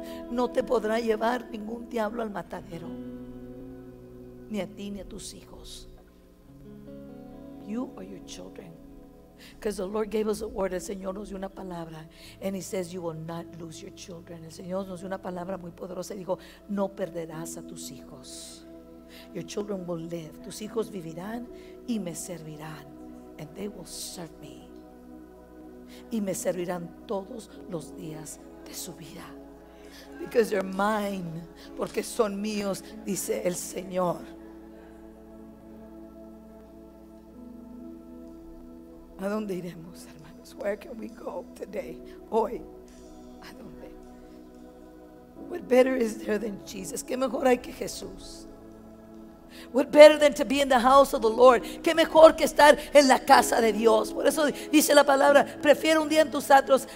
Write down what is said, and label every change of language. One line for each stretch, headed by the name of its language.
Spanish: No te podrá llevar ningún diablo al matadero, ni a ti ni a tus hijos.
English: You or your children. Because the Lord gave us a word,
Spanish: el Señor nos dio una palabra,
English: and He says, you will not lose your children.
Spanish: El Señor nos dio una palabra muy poderosa y dijo, no perderás a tus hijos.
English: Your children will live.
Spanish: Tus hijos vivirán y me servirán.
English: And they will serve me.
Spanish: Y me servirán todos los días de su vida.
English: Because they're mine.
Spanish: Porque son míos, dice el Señor. ¿A dónde iremos, hermanos?
English: Where can we go today?
Spanish: Hoy. ¿A dónde?
English: What better is there than Jesus?
Spanish: ¿Qué mejor hay que Jesús?
English: What better than to be in the house of the Lord?
Spanish: Que mejor que estar en la casa de Dios. Por eso dice la palabra, prefiero un día en tus atrios.